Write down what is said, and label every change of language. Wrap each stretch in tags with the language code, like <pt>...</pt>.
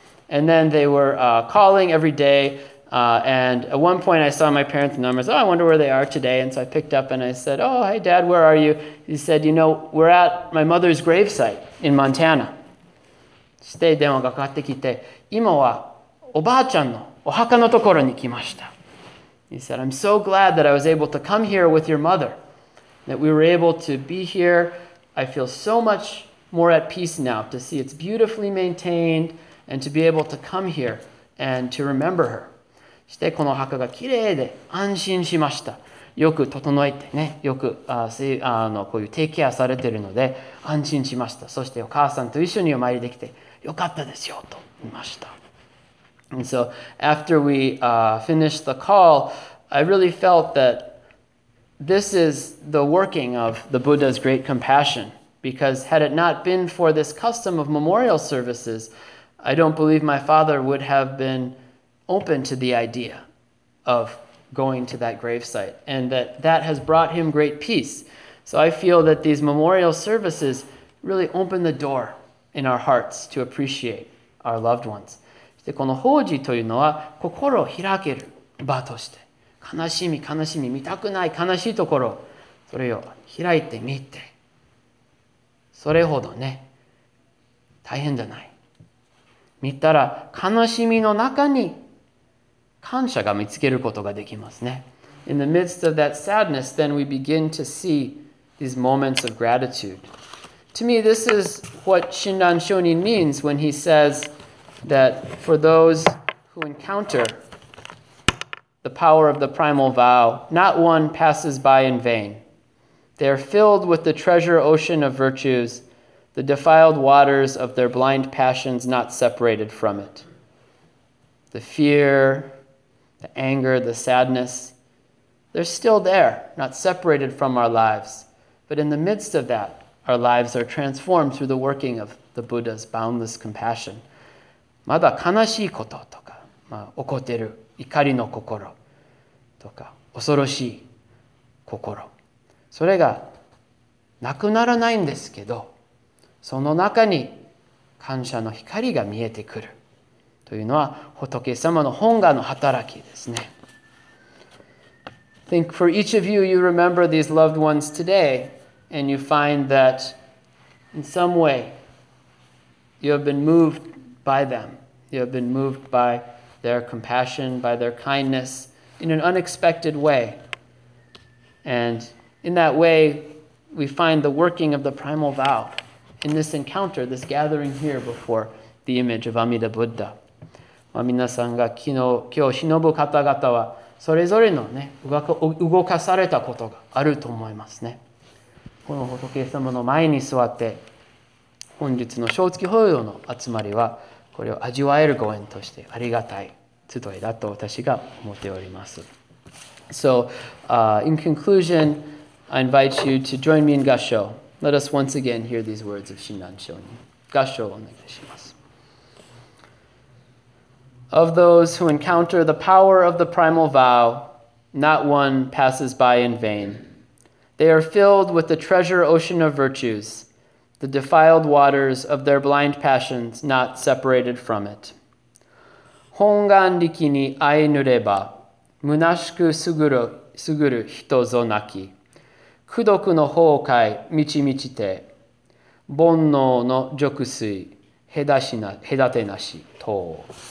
<en>and then they were calling every day and at one point I saw my parents' numbers oh I wonder where they are today and so I picked up and I said oh hey dad where are you he said you know we're at my mother's gravesite in Montana</en> <ja>して電話がかかってきて今はおばあちゃんのお墓のところに来ました。</ja> <en>He said, I'm so glad that I was able to come here with your mother, that we were able to be here. I feel so much more at peace now to see it's beautifully maintained and to be able to come here and to remember her.</en> <ja>そしてこのお墓がきれいで安心しました。よく整えてね、よくこういうテイケアされているので安心しました。そしてお母さんと一緒にお参りできてよかったですよと言いました。</ja> <en>And so after we finished the call, I really felt that this is the working of the Buddha's great compassion. Because had it not been for this custom of memorial services, I don't believe my father would have been open to the idea of going to that gravesite. And that has brought him great peace. So I feel that these memorial services really open the door in our hearts to appreciate our loved ones.</en> <ja>でこの法事というのは心を開ける場として悲しみ見たくない悲しいところそれを開いてみてそれほどね大変じゃない見たら悲しみの中に感謝が見つけることができますね</ja> <en>In the midst of that sadness then we begin to see these moments of gratitude To me this is what Shinran Shonin means when he saysThat for those who encounter the power of the primal vow, not one passes by in vain. They are filled with the treasure ocean of virtues, the defiled waters of their blind passions not separated from it. The fear, the anger, the sadness, they're still there, not separated from our lives. But in the midst of that, our lives are transformed through the working of the Buddha's boundless compassion.</en> <ja>まだ悲しいこととか、まあ、怒っている怒りの心とか恐ろしい心それがなくならないんですけどその中に感謝の光が見えてくるというのは仏様の本願の働きですね</ja> <en>Think for each of you, you remember these loved ones today and you find that in some way you have been movedby them. You have been moved by their compassion, by their kindness in an unexpected way. And in that way, we find the working of the primal vow in this encounter, this gathering here before the image of Amida Buddha.</en> <ja>皆さんが今日忍ぶ方々はそれぞれのね、動かされたことがあると思いますね。この仏様の前に座って本日の正月法要の集まりはこれを味わえるご縁としてありがたい集いだと私が思っております。</ja> <en>So, in conclusion, I invite you to join me in Gassho. Let us once again hear these words of Shinran Shonin. Gassho</en> <ja>をお願いします。</ja> <en>Of those who encounter the power of the primal vow, not one passes by in vain. They are filled with the treasure ocean of virtues. The defiled waters of their blind passions not separated from it.</en> <ja>本願力に会えぬれば、虚しくすぐる人ぞなき、功徳の崩壊満ち満ちて、煩悩の辱水隔てなし等。</ja>